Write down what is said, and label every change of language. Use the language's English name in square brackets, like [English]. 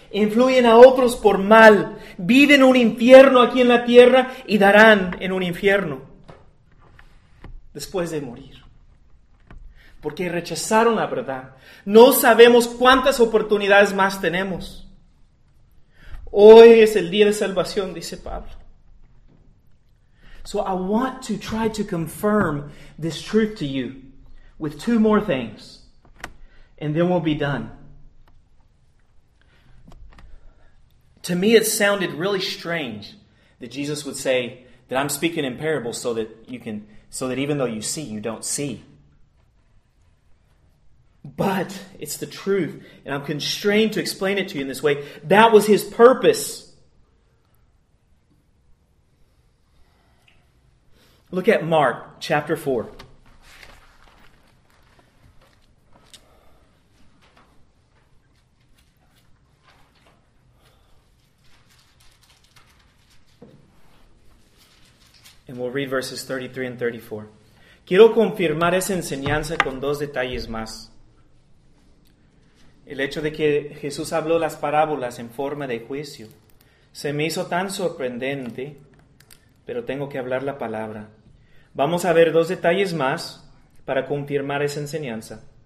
[Spanish] Influyen a otros por mal, viven un infierno aquí en la tierra y darán en un infierno después de morir. Porque rechazaron la verdad. No sabemos cuántas oportunidades más tenemos. Hoy es el día de salvación, dice Pablo. [English] So I want to try to confirm this truth to you with two more things, and then we'll be done. To me, it sounded really strange that Jesus would say that I'm speaking in parables so that even though you see, you don't see. But it's the truth, and I'm constrained to explain it to you in this way. That was His purpose. Look at Mark chapter 4. And we'll read verses 33 and 34. [Spanish] Quiero confirmar esa enseñanza con dos detalles más. El hecho de que Jesús habló las parábolas en forma de juicio se me hizo tan sorprendente, pero tengo que hablar la palabra. Vamos a ver dos detalles más para confirmar esa enseñanza.